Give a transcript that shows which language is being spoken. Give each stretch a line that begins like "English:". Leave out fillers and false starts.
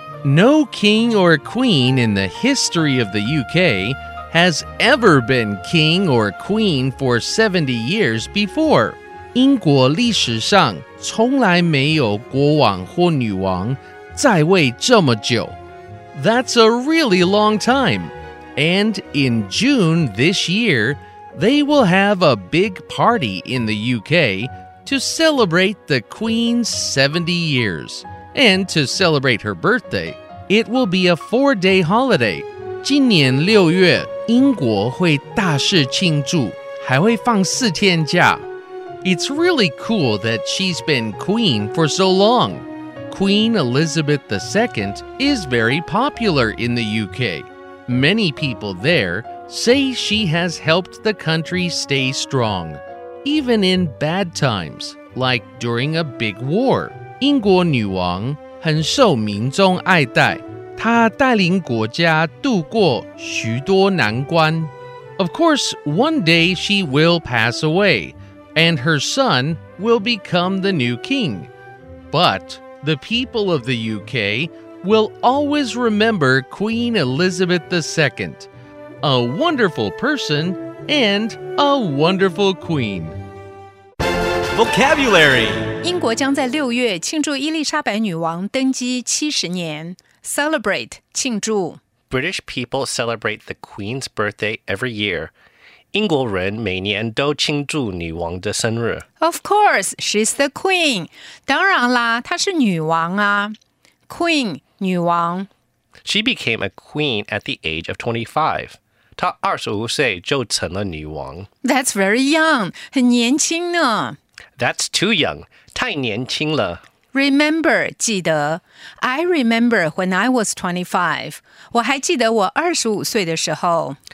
English: No king or queen in the history of the UK has ever been king or queen for 70 years before.
Chinese: 英国历史上从来没有国王或女王在位这么久。
English: That's a really long time. And in June this year, they will have a big party in the UK to celebrate the Queen's 70 years. And to celebrate her birthday, it will be a four-day holiday.
Chinese: 今年六月，英国会大事庆祝，还会放四天假。
English: It's really cool that she's been queen for so long. Queen Elizabeth II is very popular in the UK. Many people there say she has helped the country stay strong, even in bad times, like during a big war.
Chinese: 英国女王很受民众爱戴，她带领国家度过许多难关。
English: Of course, one day she will pass away, and her son will become the new king. But the people of the UK will always remember Queen Elizabeth II, a wonderful person and a wonderful queen. Vocabulary.
Chinese: 英国将在六月庆祝伊丽莎白女王登基七十年。
English: Celebrate,
Chinese: 庆祝。
English: British people celebrate the Queen's birthday every year.
Chinese: 英国人每年都庆祝女王的生日。
English: Of course, she's the queen.
Chinese: 当然啦，她是女王啊。
English: Queen,
Chinese: 女王。
English: She became a queen at the age of 25.
Chinese: 她二十五岁就成了女王。
English: That's very young,
Chinese: 很年轻呢。
English: That's too young,
Chinese: 太年轻了。
English: Remember,
Chinese: 记得。
English: I remember when I was 25.
Chinese: 我还记得我二十五岁的时候。